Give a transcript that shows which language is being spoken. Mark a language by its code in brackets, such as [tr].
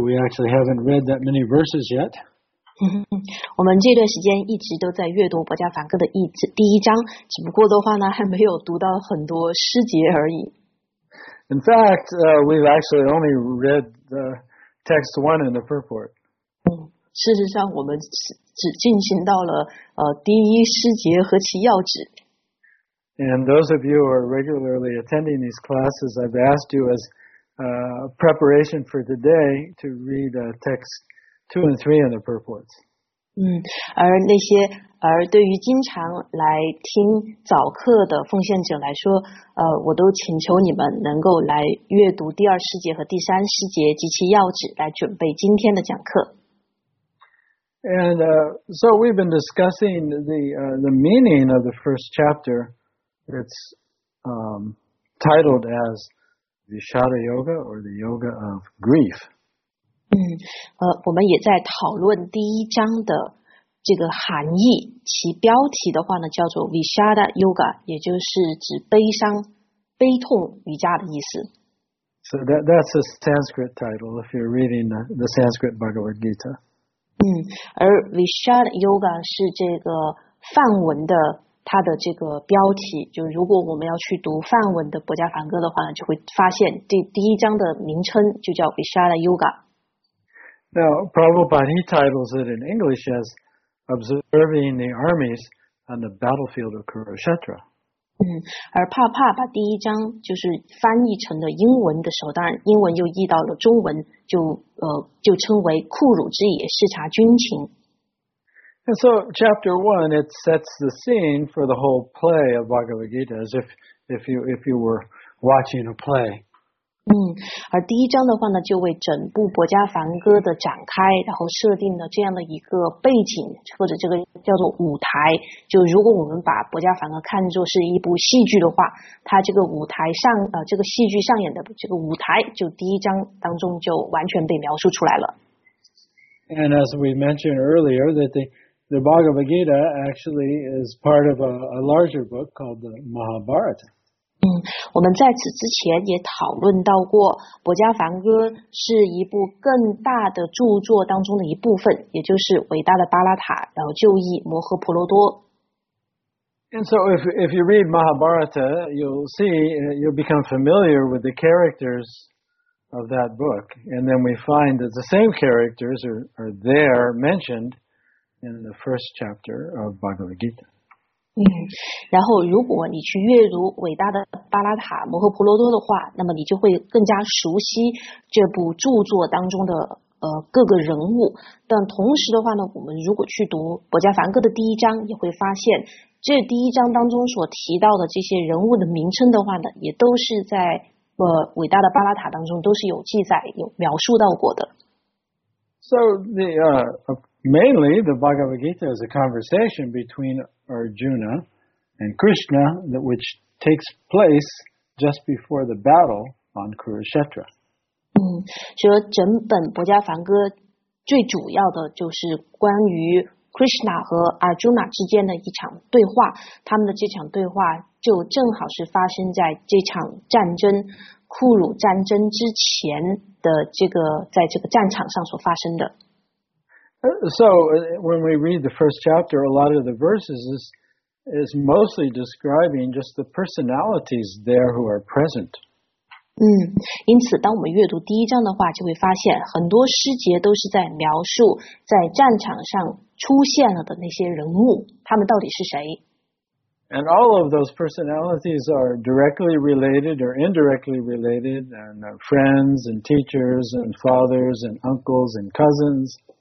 [en] We actually haven't read that many verses yet. [zh] 我们这段时间一直都在阅读《博迦梵歌》的第一章，只不过的话呢，还没有读到很多诗节而已。 [en] In fact, we've actually only read the text one and the purport. [zh] 事实上，我们只进行到了第一诗节和其要旨。 [en] And those of you who are regularly attending these classes, I've asked you as preparation for today to read text 2 and 3 in the purports. [zh] 而那些而对于经常来听早课的奉献者来说，我都请求你们能够来阅读第二世界和第三世界及其要旨，来准备今天的讲课。 [en] And so we've been discussing the meaning of the first chapter. It's titled as Vishara Yoga or the Yoga of Grief. [zh] 我们也在讨论第一章的这个含义，其标题的话呢叫做 Vishara Yoga， 也就是指悲伤、悲痛瑜伽的意思。 [en] So that's a Sanskrit title if you're reading the Sanskrit Bhagavad Gita. [zh] 而 Vishara Yoga 是这个梵文的它的这个标题，就如果我们要去读梵文的博伽梵歌的话呢，就会发现第一章的名称就叫 Vishara Yoga。 [en] Now, Prabhupada, he titles it in English as Observing the Armies on the Battlefield of Kurukshetra. [zh] 而帕帕把第一章就是翻译成了英文的时候，当然英文又译到了中文，就称为库鲁之野，视察军情。 [en] And so, chapter one, it sets the scene for the whole play of Bhagavad Gita, as if you were watching a play. [zh] 而第一章的话呢，就为整部《博伽梵歌》的展开，然后设定了这样的一个背景，或者这个叫做舞台。就如果我们把《博伽梵歌》看作是一部戏剧的话，它这个舞台上，这个戏剧上演的这个舞台，就第一章当中就完全被描述出来了。 [en] And as we mentioned earlier, that the Bhagavad Gita actually is part of a larger book called the Mahabharata. [zh] 我们在此之前也讨论到过，《博伽梵歌》是一部更大的著作当中的一部分，也就是伟大的巴拉塔，然后旧译摩诃婆罗多。 [en] And so, if you read Mahabharata, you'll become familiar with the characters of that book, and then we find that the same characters are there mentioned in the first chapter of Bhagavad Gita. [zh] 然后如果你去阅读伟大的巴拉塔摩诃婆罗多的话，那么你就会更加熟悉这部著作当中的各个人物。但同时的话呢，我们如果去读博伽梵歌的第一章，也会发现这第一章当中所提到的这些人物的名称的话呢，也都是在伟大的巴拉塔当中都是有记载有描述到过的。 [en] So the mainly the Bhagavad Gita is a conversation betweenArjuna and Krishna, which takes place just before the battle on Kurukshetra. [zh] 所以整本博伽梵歌最主要的就是关于 Krishna 和 Arjuna 之间的一场对话，他们的这场对话就正好是发生在这场战争库鲁战争之前的这个在这个战场上所发生的。 [en] So, when we read the first chapter, a lot of the verses is mostly describing just the personalities there who are present. [zh] 因此当我们阅读第一章的话，就会发现很多诗节都是在描述在战场上出现了的那些人物，他们到底是谁。 [en] And all of those personalities are directly related or indirectly related, and friends and teachers and fathers and uncles and cousins.